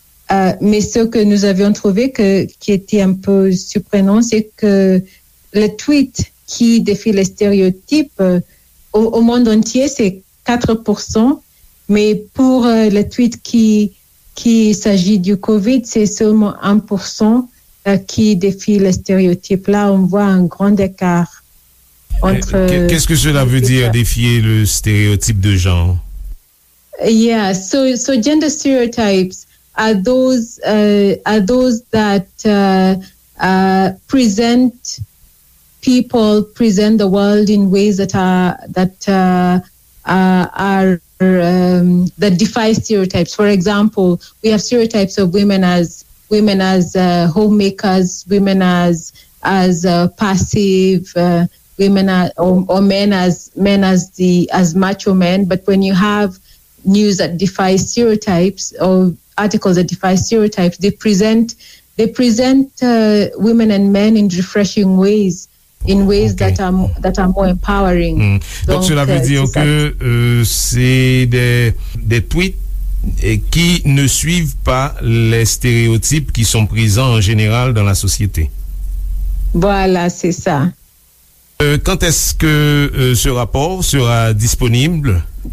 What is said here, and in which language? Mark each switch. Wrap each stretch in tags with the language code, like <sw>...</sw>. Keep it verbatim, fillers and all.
<fr>Euh, mais ce que nous avions trouvé que, qui était un peu surprenant, c'est que les tweets qui défient les stéréotypes euh, au, au monde entier, c'est quatre pour cent, mais pour euh, les tweets qui, qui s'agit du COVID, c'est seulement un pour cent euh, qui défient les stéréotypes. Là, on voit un grand écart entre... Euh, Qu'est-ce que cela veut dire, défier le stéréotype de genre?</fr> <en>Yeah, so, so gender stereotypes are those, uh, are those that... Uh, uh, present people, present the world in ways that are that uh, uh, are um, that defy stereotypes. For example, we have stereotypes of women as women as uh, homemakers, women as as uh, passive. Uh, women are, or, or men as men as the as macho men, but when you have news that defy stereotypes or articles that defy stereotypes, they present they present uh, women and men in refreshing ways, in ways okay. that are that are more empowering. Mm.</en> <fr>Donc, donc cela veut dire c'est que euh, c'est des des tweets et qui ne suivent pas les stéréotypes qui sont présents en général dans la société. Voilà, c'est ça. Euh, quand est-ce que euh, ce rapport sera disponible?</fr>